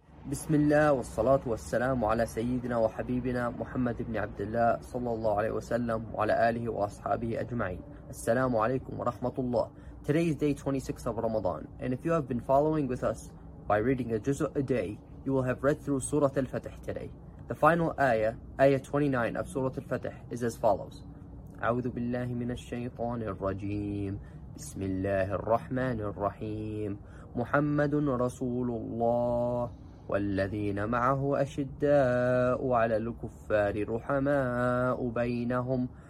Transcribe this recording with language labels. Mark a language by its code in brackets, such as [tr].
[ar] بسم الله والصلاة والسلام على سيدنا وحبيبنا محمد بن عبد الله صلى الله عليه وسلم وعلى آله وأصحابه أجمعين السلام عليكم ورحمة الله. [en] Today is day 26 of Ramadan, and if you have been following with us by reading a juz' a day, you will have read through Surah Al-Fatih today. The final ayah, ayah 29 of Surah Al-Fatih, is as follows. [ar] أعوذ بالله من الشيطان الرجيم بسم الله الرحمن الرحيم محمد رسول الله والذين معه أشداء على الكفار رحماء بينهم